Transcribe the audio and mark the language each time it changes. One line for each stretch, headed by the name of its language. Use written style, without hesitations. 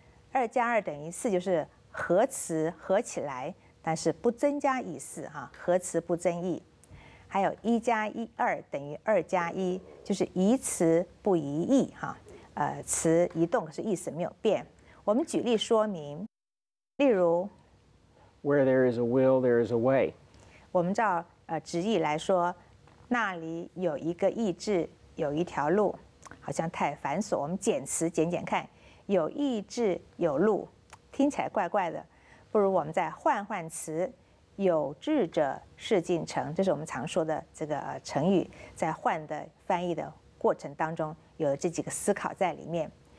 Chinese: 二加二等于四，就是合词合起来但是不增加意思哈，合词不增义。还有一加一二等于二加一，就是移词不移义哈，词移动可是意思没有变。我们举例说明，例如
English: Where there is a will, there is a way。
Chinese: 我们照直译来说，那里有一个意志，有一条路，好像太繁琐。我们简词简简看，有意志有路，听起来怪怪的。不如我们再换换词，有志者事竟成，这是我们常说的这个成语，在换的翻译的过程当中，有这几个思考在里面。